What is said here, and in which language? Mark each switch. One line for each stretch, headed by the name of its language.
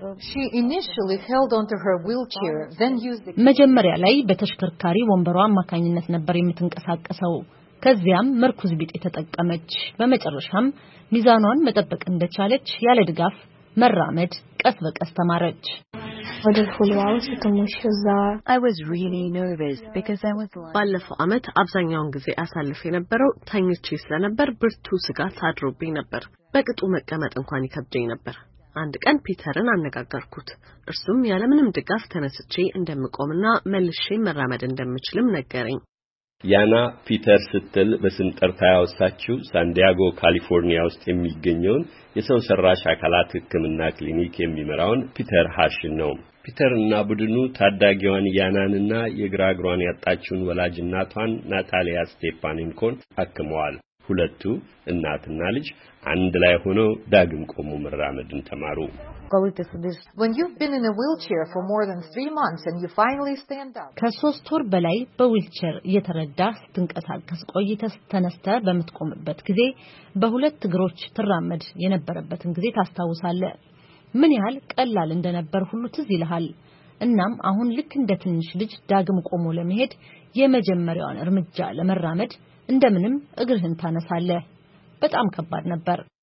English: She initially held onto her wheelchair, then used the.
Amharic: መጀመሪያ ላይ በተሽከርካሪ ወንበሯ አማካኝነት ነበር የምትንቀሳቀሰው። ከዚያም መርኩዝ ቢጤ ተጠቀመች። በመጨረሻም ሚዛኗን መጠበቅ እንደቻለች ያለ ድጋፍ መራመድ ቀስ በቀስ ተማረች።
English: I was really nervous because I was like
Amharic: ባለፈው አመት አብዛኛውን ጊዜ አሳልፌ ነበረው ታኝቼ ስለነበር ብርቱ ስጋት አድሮብኝ ነበር። በቅጡ መቀመጥ እንኳን ይከብደኝ ነበር። አንድ ቀን ፒተርን አነጋገርኩት። እርሱም ያለምንም ድጋፍ ተነስቼ እንደምቆምና መልሼ መራመድ እንደምችልም ነገረኝ። ያና ፒተር ስትል በስም ጠርታ ያወሳችው ሳንዲያጎ ካሊፎርኒያ ውስጥ የሚገኘውን የሰው ሰራሽ አካላት ሕክምና ክሊኒክ የሚመራውን ፒተር ሃሽን ነው። ፒተርና ቡድኑ ታዳጊዋን ያናንና የግራ እግሯን ያጣችውን ወላጅ እናቷን ናታሊያ ስቴፓኒንኮን አክመዋል። ሁለቱ እናትና ልጅ አንድ ላይ ሆነው ዳግም ቆሙ መራመድን ተማሩ።
English: When you've been in a wheelchair for more than 3 months and you finally stand up.
Amharic: ከሶስት ወር በላይ በዊልቸር የተረዳህ ስትንቀሳቀስ ቆይተህ ተነስተህ በመትቆምበት ጊዜ በሁለት እግሮች ትራመድ የነበረበትን ጊዜ ታስታውሳለህ። ምን ያህል ቀላል እንደነበር ሁሉ ትዝ ይልሃል። እናም አሁን ልክ እንደ ትንሽ ልጅ ዳግም ቆሞ ለመሄድ የመጀመሪያውን እርምጃ ለመራመድ እንደምንም እግርህን ታነሳለህ። በጣም ከባድ ነበር።